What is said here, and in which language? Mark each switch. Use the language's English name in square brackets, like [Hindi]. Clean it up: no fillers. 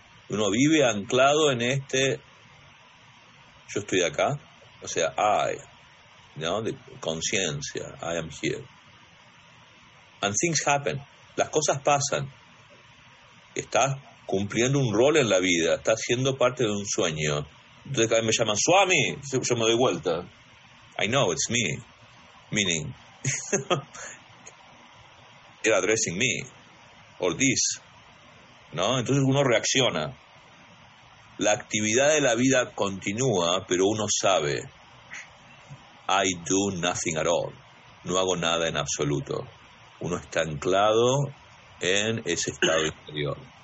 [Spanish] Uno vive anclado en este, yo estoy acá, o sea, I, ¿no? De conciencia, [English] I am here. And things happen, [Spanish] las cosas pasan. Estás cumpliendo un rol en la vida, estás siendo parte de un sueño. Entonces cada vez me llaman, Swami, yo me doy vuelta. [English] I know, it's me. Meaning, you're addressing me, or this. [Spanish] ¿No? Entonces uno reacciona. La actividad de la vida continúa, pero uno sabe, [English] I do nothing at all. [Spanish] No hago nada en absoluto. Uno está anclado en ese estado interior.